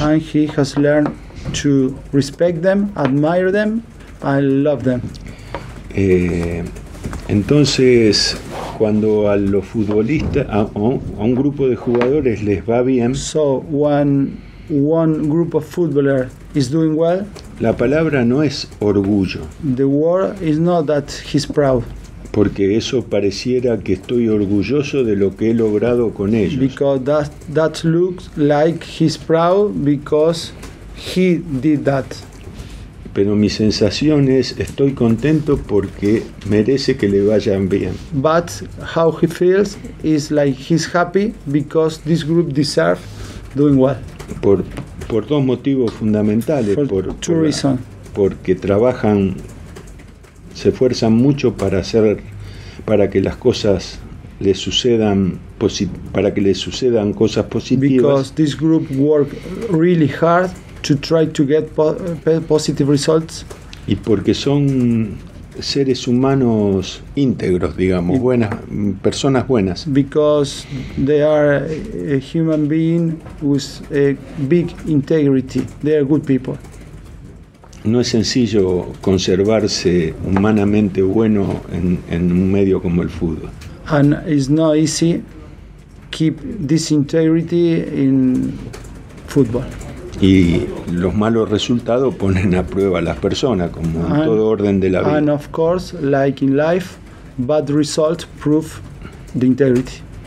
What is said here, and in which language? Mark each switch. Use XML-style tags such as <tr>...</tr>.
<en>And he has learned to respect them, admire them, and love them.</en> <es>Entonces, cuando a los futbolistas, a un grupo de jugadores les va bien.</es> <en>So when one group of footballers is doing well.</en> <es>La palabra no es orgullo.</es> <en>The word is not that he's proud.</en> <es>porque eso pareciera que estoy orgulloso de lo que he logrado con ellos.</es> <en>Because that looks like he's proud because he did that.</en> <es>Pero mi sensación es estoy contento porque merece que le vayan bien.</es> <en>But how he feels is like he's happy because this group deserves doing well.</en> <es>Por dos motivos fundamentales.</es> <en>For two reasons.</en> <es>Porque trabajan, se esfuerzan mucho para que les sucedan cosas positivas.</es> <en>Because this group work really hard to try to get positive results.</en> <es>Y porque son seres humanos íntegros, digamos, buenas personas buenas.</es> <en>Because they are a human being with a big integrity. They are good people.</en> <es>No es sencillo conservarse humanamente bueno en un medio como el fútbol.</es> <en>And it's not easy keep this integrity in football.</en> <es>Y los malos resultados ponen a prueba a las personas, como en todo orden de la vida.</es> <en>And of course, like in life, bad results prove the integrity.</en>